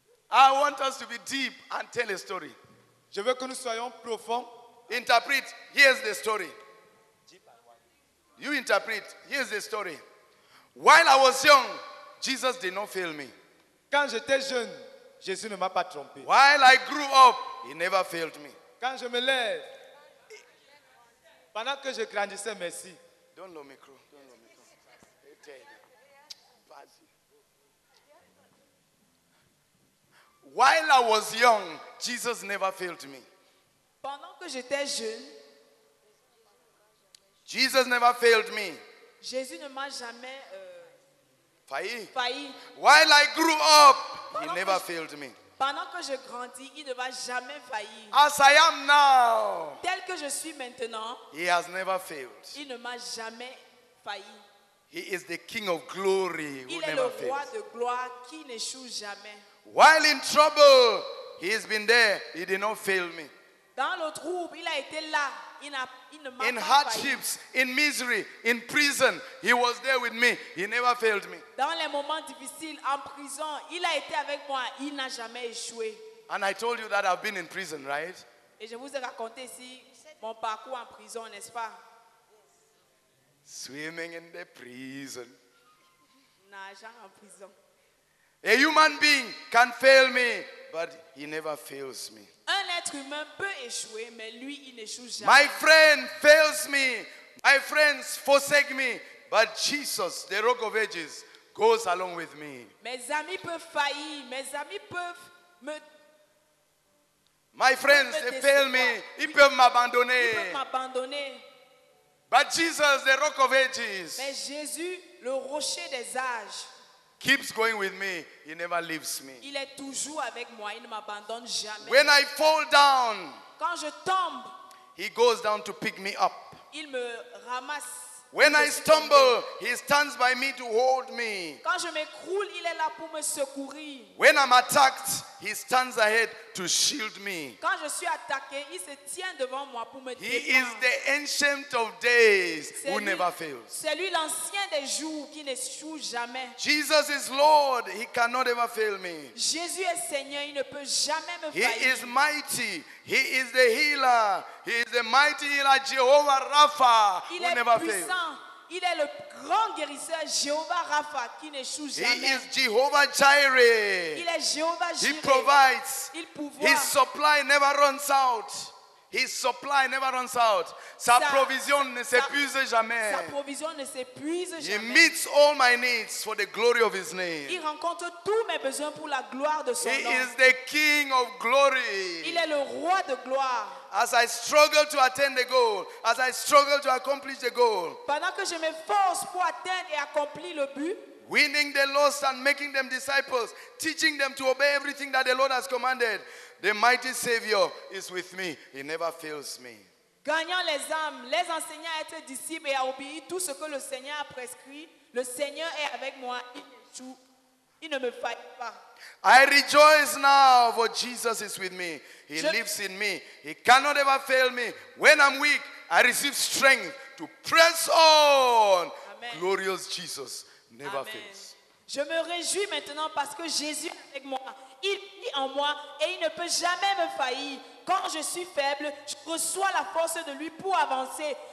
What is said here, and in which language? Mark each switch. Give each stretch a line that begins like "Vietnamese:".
English: I want us to be deep and tell a story.
French: Je veux que nous soyons profonds.
English: Interpret. Here's the story. You interpret. Here's the story. While I was young, Jesus did not fail me.
French: Quand j'étais jeune, Jésus ne m'a pas trompé.
English: While I grew up, he never failed me.
French: Quand je me lève, pendant que je grandissais, merci.
English: Don't low micro. Don't low micro. While I was young, Jesus never failed me.
French: Pendant que j'étais jeune,
English: Jesus never failed me.
French: Jésus ne m'a jamais
English: While I grew up, he never failed me.
French: Pendant que je grandis, il ne va jamais faillir.
English: As I am now,
French: tel que je suis maintenant,
English: he has never failed.
French: Il ne m'a jamais failli.
English: He is the King of Glory who
French: il est
English: never
French: le roi
English: fails.
French: De gloire qui n'échoue jamais.
English: While in trouble, he has been there. He did not fail me.
French: Dans le trouble, il a été là.
English: In hardships, in misery, in prison, he was there with me. He never failed me.
French: Dans les moments difficiles, en prison, il a été avec moi. Il n'a jamais échoué.
English: And I told you that I've been in prison, right?
French: Et je vous ai raconté ici mon parcours en prison, n'est-ce pas?
English: Swimming in the prison.
French: Nageant en prison.
English: A human being can fail me, but he never fails me.
French: Un être humain peut échouer, mais lui, il n'échoue jamais.
English: My friend fails me. My friends forsake me. But Jesus, the Rock of Ages, goes along with me.
French: Mes amis peuvent faillir. Mes amis peuvent me...
English: My friends, they fail me.
French: Ils peuvent m'abandonner. Ils peuvent m'abandonner.
English: But Jesus, the Rock of Ages...
French: Mais Jésus, le rocher des âges...
English: Keeps going with me. He never leaves me.
French: Il est toujours avec moi. Il ne m'abandonne jamais.
English: When I fall down,
French: quand je tombe,
English: he goes down to pick me up.
French: Il me ramasse.
English: When I stumble, he stands by me to hold me.
French: Quand je m'écroule, il est là pour me secourir.
English: When I'm attacked, he stands ahead to shield me.
French: Quand je suis attaqué, il se tient devant moi pour me défendre.
English: He is the ancient of days who never fails.
French: C'est lui l'ancien des jours qui n'échoue jamais.
English: Jesus is Lord, he cannot ever fail me.
French: Jésus est Seigneur, il ne peut jamais me faillir.
English: He is mighty, he is the healer. He is the mighty healer, Jehovah Rapha,
French: il
English: who never
French: puissant.
English: Fails.
French: Il est le grand guérisseur, Jehovah Rapha, qui n'échoue jamais.
English: He is Jehovah Jireh.
French: Il est Jehovah Jireh.
English: He provides.
French: Il pourvoit.
English: His supply never runs out. His supply never runs out.
French: Sa provision ne s'épuise jamais. Sa provision ne s'épuise jamais.
English: He meets all my needs for the glory of his name.
French: Il rencontre tous mes besoins pour la gloire de son
English: he
French: nom.
English: He is the King of glory.
French: Il est le roi de gloire.
English: As I struggle to attain the goal, as I struggle to accomplish the goal,
French: pendant que je m'efforce pour atteindre et accomplir le but,
English: winning the lost and making them disciples, teaching them to obey everything that the Lord has commanded, the mighty Savior is with me. He never fails me.
French: Gagnant les âmes, les enseignant à être disciples et à obéir tout ce que le Seigneur a prescrit, le Seigneur est avec moi. Il ne me faille pas.
English: I rejoice now, for Jesus is with me. He lives in me. He cannot ever fail me. When I'm weak, I receive strength to press on. Amen. Glorious Jesus never Amen. Fails.
French: Je me réjouis maintenant parce que Jésus est avec moi. Il vit en moi et il ne peut jamais me faillir. Quand je suis faible, je reçois la force de lui pour avancer.